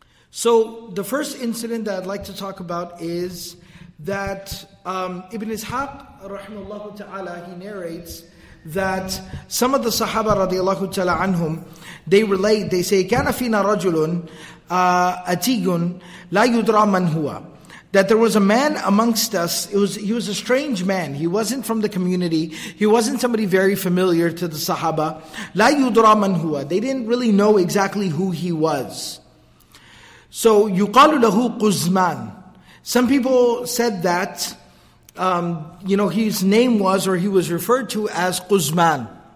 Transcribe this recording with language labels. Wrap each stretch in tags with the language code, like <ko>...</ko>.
<en>So the first incident that I'd like to talk about is that Ibn Ishaq, rahimahullahu ta'ala, he narrates that some of the Sahaba radiallahu ta'ala anhum, they relate, they say,</en> <ar>كان فينا رجل أتيق لا يدرى من هو.</ar> <en>That there was a man amongst us, he was a strange man, he wasn't from the community, he wasn't somebody very familiar to the Sahaba.</en> <ar>لا يدرى من هو.</ar> <en>They didn't really know exactly who he was. So,</en> <ar>يقال له قزمان.</ar> <en>Some people said that his name was, or he was referred to as Quzman.</en>